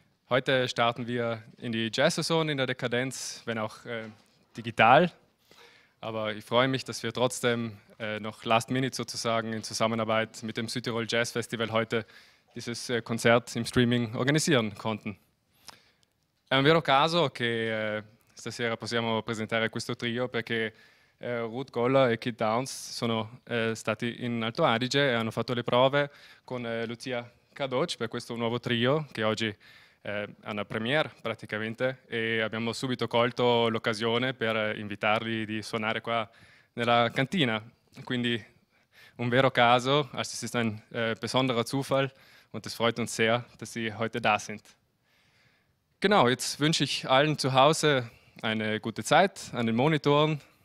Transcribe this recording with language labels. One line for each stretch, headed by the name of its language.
German: Heute starten wir in die Jazz-Saison in der Dekadenz, wenn auch digital. Aber ich freue mich, dass wir trotzdem noch last minute sozusagen in Zusammenarbeit mit dem Südtirol Jazz Festival heute dieses Konzert im Streaming organisieren konnten.
Italian: È un vero caso che stasera possiamo presentare questo trio perché Ruth Goller e Kit Downs sono stati in Alto Adige e hanno fatto le prove con Lucia Kadoc per questo nuovo trio che oggi è una premiere praticamente e abbiamo subito colto l'occasione per invitarli di suonare qua nella cantina. Quindi un vero caso,
German: also es ist ein besonderer Zufall und es freut uns sehr, dass Sie heute da sind. Genau, jetzt wünsche ich allen zu Hause eine gute Zeit an den Monitoren.